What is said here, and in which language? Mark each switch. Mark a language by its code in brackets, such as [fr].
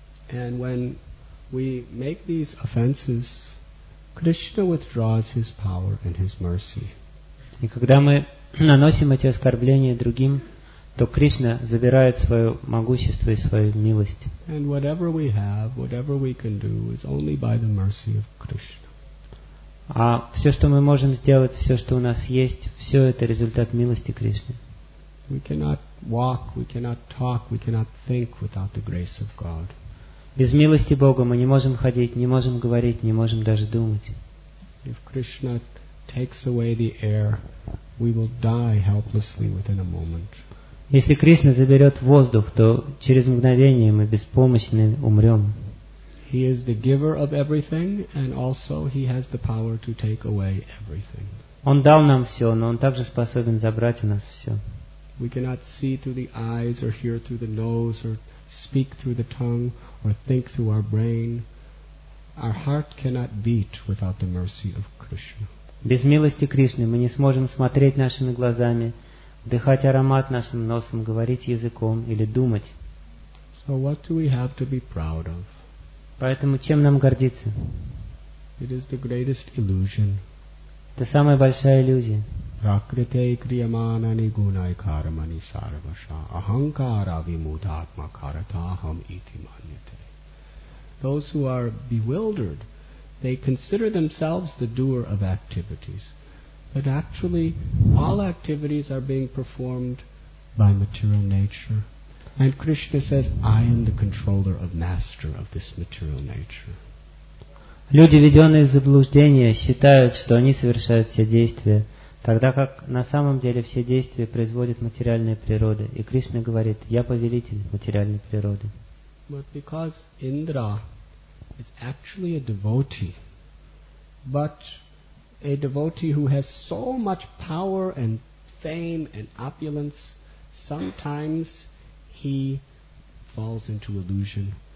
[en] And when we make these offenses, Krishna withdraws his power and his mercy. [ru] И когда мы наносим эти оскорбления другим, то Кришна забирает свое могущество и свою милость. [en] And whatever we have, whatever we can do, is only by the mercy of Krishna. [ru] А все, что мы можем сделать, все, что у нас есть, все это результат милости Кришны. [en] We cannot walk, we cannot talk, we cannot think without the grace of God. [ru] Без милости Бога мы не можем ходить, не можем говорить, не можем даже думать. [en] If Krishna takes away the air, we will die helplessly within a moment. [ru] Если Кришна заберет воздух, то через мгновение мы беспомощны умрем. [en] He is the giver of everything, and also he has the power to take away everything. [ru] Он дал нам все, но он также способен забрать у нас все. [en] We cannot see through the eyes or hear through the nose or speak through the tongue or think through our brain. Our heart cannot beat without the mercy of Krishna. [ru] Без милости Кришны мы не сможем смотреть нашими глазами, вдыхать аромат нашим носом, говорить языком или думать. [en] So what do we have to be proud of? [ru] Поэтому чем нам гордиться? [en] It is the greatest illusion. [ru] Это самая большая иллюзия. [sa] Prakritei kriyamanani gunai karmani sarvasha ahankara vimudatma karataham iti manyate. [en] Those who are bewildered, they consider themselves the doer of activities. But actually, all activities are being performed by material nature. And Krishna says, I am the controller of master of this material nature. [ru] Люди, введенные в заблуждение, считают, что они совершают все действия, тогда как на самом деле все действия производит материальная природа. И Кришна говорит, я повелитель материальной природы. [en] But because Indra is actually a devotee, but a devotee who has so much power and fame and opulence, sometimes he falls into illusion.